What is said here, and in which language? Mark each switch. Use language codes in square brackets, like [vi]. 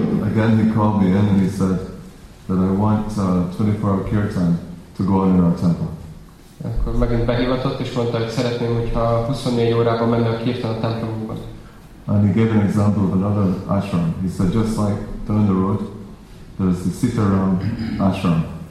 [en] Again, he called me in and he said that I want 24-hour kirtan to go on in our temple. [hu] Akkor megint behívatott és mondta, hogy szeretném, hogyha 24 órában menne a kirtan a templomban. [en] And he gave an example of another ashram. He said, just like down the road, there's the Sitaram ashram.